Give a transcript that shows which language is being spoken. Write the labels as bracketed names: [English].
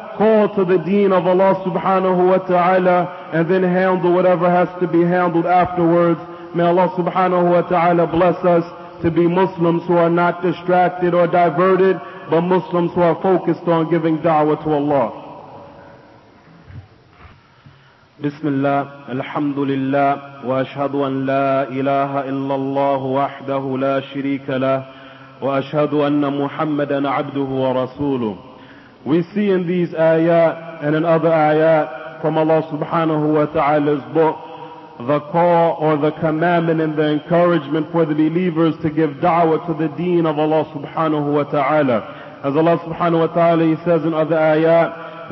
[English] Call to the deen of Allah subhanahu wa ta'ala and then handle whatever has to be handled afterwards. May Allah subhanahu wa ta'ala bless us to be Muslims who are not distracted or diverted, but Muslims who are focused on giving da'wah to Allah. [Arabic] بسم الله الحمد لله وأشهد أن لا إله إلا الله وحده لا شريك له وأشهد أن محمدا عبده ورسوله. [English] We see in these ayat and in other ayat from Allah subhanahu wa ta'ala's book the call or the commandment and the encouragement for the believers to give da'wah to the deen of Allah subhanahu wa ta'ala. As Allah subhanahu wa ta'ala says in other ayat,